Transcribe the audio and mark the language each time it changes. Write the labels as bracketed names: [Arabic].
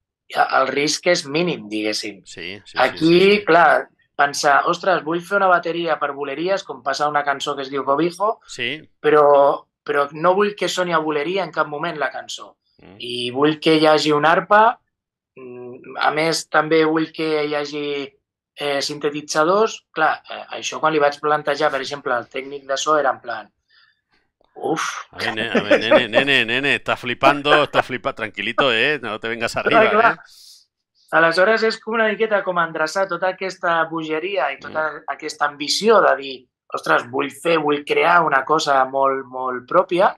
[Catalan] El risc és mínim, diguéssim. Aquí, clar, pensar, ostres, vull fer una bateria per boleries, com passa una cançó que es diu Cobijo, però no vull que soni a boleria en cap moment la cançó. I vull que hi hagi una arpa, a més també vull que hi hagi sintetitzadors. Clar, això quan li vaig plantejar, per exemple, al tècnic de so era en plan, Uf. [Spanish] A ver, nene, a ver, nene, nene, nene, estás flipando, estás flipando. Tranquilito, no te vengas arriba, ¿eh? [Catalan] Aleshores és com una miqueta com endreçar tota aquesta bogeria i tota aquesta ambició de dir, ostres, vull fer, vull crear una cosa molt, molt pròpia,